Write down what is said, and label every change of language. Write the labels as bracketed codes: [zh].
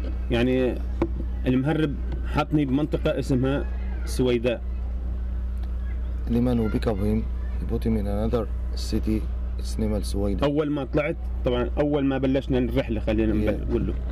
[ar] يعني المهرب حطني بمنطقة اسمها سويداء. [en] The man who picked up him, he put him in another city. It's named Sweden. [ar] أول ما طلعت طبعا أول ما بلشنا الرحلة خلينا نقول له.